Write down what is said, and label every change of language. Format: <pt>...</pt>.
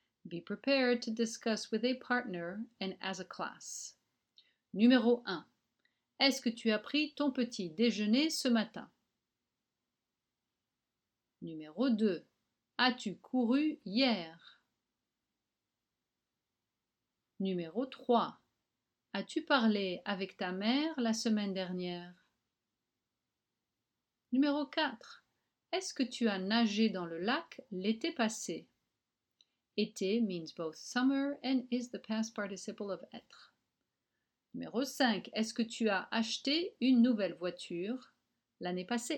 <en>Be prepared to discuss with a partner and as a class.</en> <fr>Numéro 1. Est-ce que tu as pris ton petit déjeuner ce matin? Numéro 2. As-tu couru hier? Numéro 3. As-tu parlé avec ta mère la semaine dernière? Numéro 4. Est-ce que tu as nagé dans le lac l'été passé?</fr> <en>Été means both summer and is the past participle of être.</en> <fr>Numéro 5. Est-ce que tu as acheté une nouvelle voiture l'année passée?</fr>